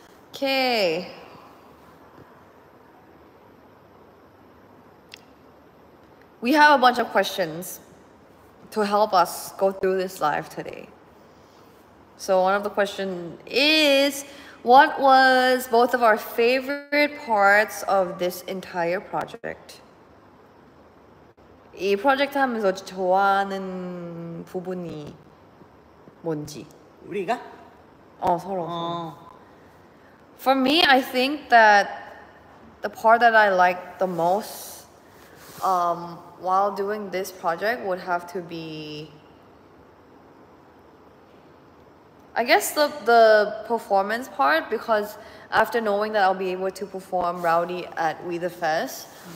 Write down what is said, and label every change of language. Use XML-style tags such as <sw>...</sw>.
<en>오케이 We have a bunch of questions to help us go through this live today So one of the questions is What was both of our favorite parts of this entire project?</en> <ko>이 프로젝트 하면서 좋아하는 부분이 뭔지 우리가? 어 서로 어.</ko> <en>For me, I think that the part that I liked the most while doing this project would have to be I guess the performance part because after knowing that I'll be able to perform Rowdy at We The Fest</en>